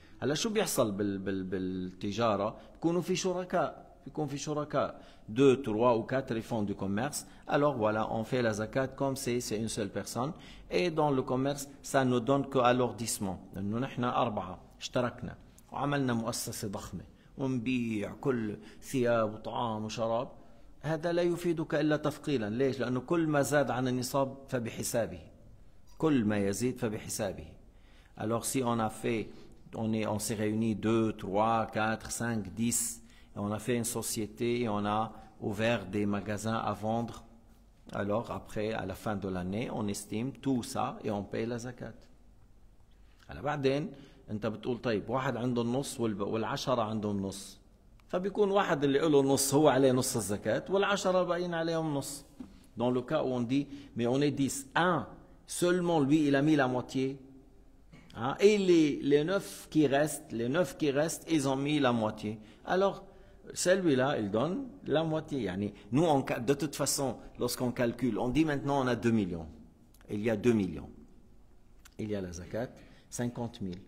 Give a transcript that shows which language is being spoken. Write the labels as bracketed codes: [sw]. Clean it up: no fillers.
[ar] Alors, شو بيحصل بالتجارة؟ بيكونوا في شركاء. [fr] Deux, trois ou quatre, ils font du commerce. Alors, voilà, on fait la zakat comme si c'est une seule personne. Et dans le commerce, ça ne donne qu'à l'ordissement. [ar] Nous, نحن أربعة اشتركنا وعملنا مؤسسة ضخمة. ونبيع كل ثياب وطعام وشراب، هذا لا يفيدك إلا تفقيلا. ليش؟ لأنه كل ما زاد عن النصاب فبحسابه، كل ما يزيد فبحسابه. [fr] Alors si on a fait, on s'est réuni 2, 3, 4, 5, 10, et on a fait une société et on a ouvert des magasins à vendre, alors après à la fin de l'année on estime tout ça et on paye la zakat. [ar] Alors بعدين انت بتقول طيب واحد عنده النص والعشرة عندهم نص، فبيكون واحد اللي له نص هو عليه نص الزكاة والعشرة باقيين عليهم نص. [fr] Dans le cas où on dit mais on est 10, un seulement lui il a mis la moitié, hein? Et les neuf qui restent ils ont mis la moitié. Alors celui là il donne la moitié. يعني nous on, de toute façon lorsqu'on calcule on dit maintenant on a 2 millions, il y a 2 millions, il y a la زكاة 50 000.